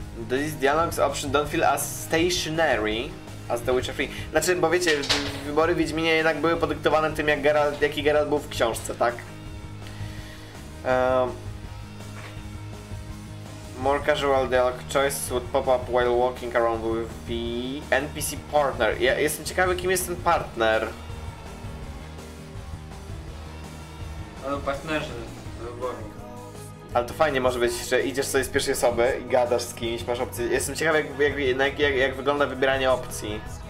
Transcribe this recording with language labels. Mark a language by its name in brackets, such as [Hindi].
[English] These dialogues options don't feel as stationary as The Witcher 3. [Polish] Znaczy, bo wiecie, wybory Wiedźminie jednak były podyktowane tym, jaki Geralt był w książce, tak? [English] More casual dialogue choices would pop up while walking around with the NPC partner. [Polish] Ja jestem ciekawy, kim jest ten partner. Ale partnerzy, wyborni. Ale to fajnie może być, że idziesz sobie z pierwszej osoby i gadasz z kimś, masz opcję. Jestem ciekawy, jak wygląda wybieranie opcji.